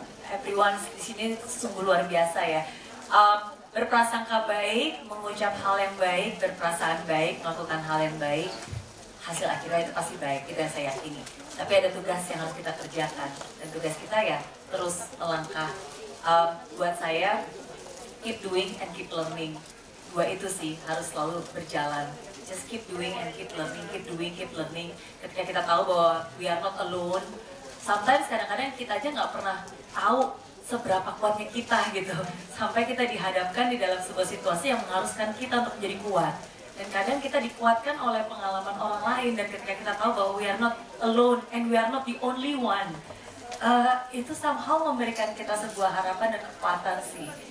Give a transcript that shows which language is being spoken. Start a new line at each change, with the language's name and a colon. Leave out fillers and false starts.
Indonesian: Everyone di sini sungguh luar biasa ya. Berprasangka baik, mengucap hal yang baik, berperasaan baik, melakukan hal yang baik, hasil akhirnya itu pasti baik, itu yang saya yakini. Tapi ada tugas yang harus kita kerjakan, dan tugas kita ya terus melangkah. Buat saya,
English: keep doing and keep learning.
Indonesian: Dua itu sih harus selalu berjalan.
English: Just keep doing and keep learning, keep doing, keep learning.
Indonesian: Ketika kita tahu bahwa
English: we are not alone,
Indonesian: sometimes kadang-kadang kita aja nggak pernah tahu seberapa kuatnya kita gitu, sampai kita dihadapkan di dalam sebuah situasi yang mengharuskan kita untuk menjadi kuat. Dan kadang kita dikuatkan oleh pengalaman orang lain, dan ketika kita tahu bahwa
English: we are not alone and we are not the only one,
Indonesian: itu somehow memberikan kita sebuah harapan dan kekuatan sih.